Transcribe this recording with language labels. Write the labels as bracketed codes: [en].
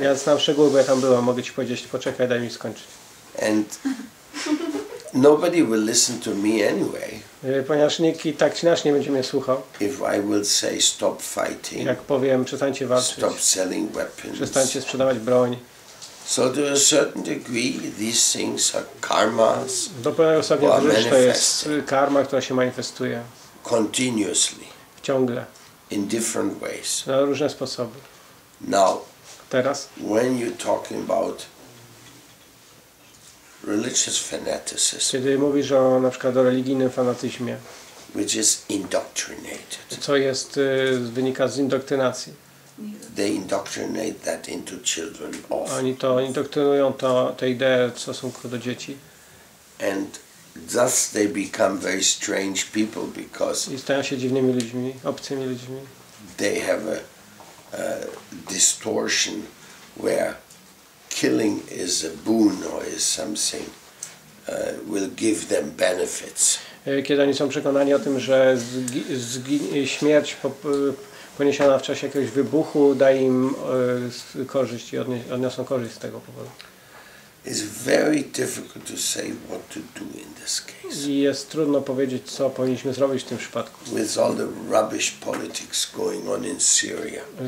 [pl] Ja znam szczegóły, bo ja tam byłam. Mogę ci powiedzieć, poczekaj, daj mi skończyć. [en] And nobody will listen to me anyway. [pl] Ponieważ nikt i tak czy inaczej nie będzie mnie słuchał. [en] If I will say stop fighting. [pl] Jak powiem, przestańcie walczyć. [en] Stop selling weapons. [pl] Przestańcie sprzedawać broń. [en] So to a certain degree these things are karmas. [pl] Do pewnego stopnia to jest karma, która się manifestuje. [en] Continuously. [pl] Ciągle. [en] In different ways. [pl] Na różne sposoby. [en] Now. [pl] Teraz. [en] When you're talking about religious fanaticism. [pl] Kiedy mówisz o na przykład o religijnym fanatyzmie. [en] which is indoctrinated. [pl] Co jest wynika z indoktrynacji? [en] They indoctrinate that into children often. [pl] Oni to indoktrynują to tę ideę w stosunku do dzieci. [en] And thus they become very strange people because [pl] i stają się dziwnymi ludźmi, obcymi ludźmi. [en] They have a distortion where killing is a boon or is something will give them benefits. [pl] Kiedy oni są przekonani o tym, że śmierć poniesiona w czasie jakiegoś wybuchu da im korzyść i odniosą korzyść z tego powodu. [en] It's very difficult to say what to do in this case. [pl] Jest trudno powiedzieć, co powinniśmy zrobić w tym przypadku. [en] With all the rubbish politics going on in Syria.